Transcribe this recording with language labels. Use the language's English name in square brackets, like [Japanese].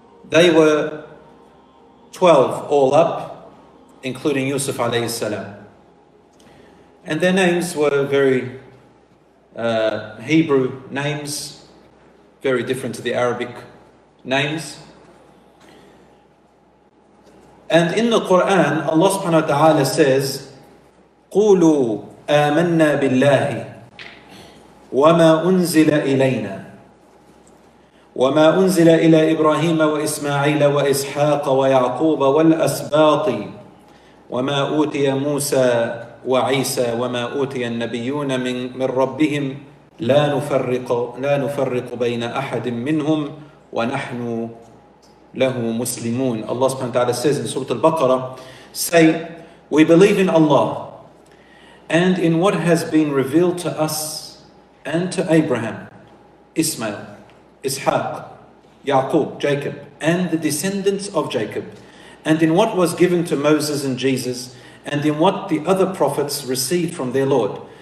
[English] They were 12 all up, including Yusuf alayhi salam. And their names were very Hebrew names, very different to the Arabic names. And in the Quran, Allah subhanahu wa ta'ala says, [Arabic] قُولُوا آمَنَّا بِاللَّهِ وَمَا أُنزِلَ إِلَيْنَا وَمَا أُنزِلَ إِلَى إِبْرَاهِيمَ وَإِسْمَاعِيلَ وَإِسْحَاقَ وَيَعْقُوبَ وَالْأَسْبَاطِ وَمَا أُوتِيَ مُوسَى وعيسى وما أوتي النبيون من ربهم لا نفرق بين أحد منهم ونحن له مسلمون. [English] Allah subhanahu wa ta'ala says in Surah Al-Baqarah, say, we believe in Allah and in what has been revealed to us and to Abraham, Ismail, Ishaq, Yaqub, Jacob, and the descendants of Jacob, and in what was given to Moses and Jesus, and in what the other prophets received from their Lord.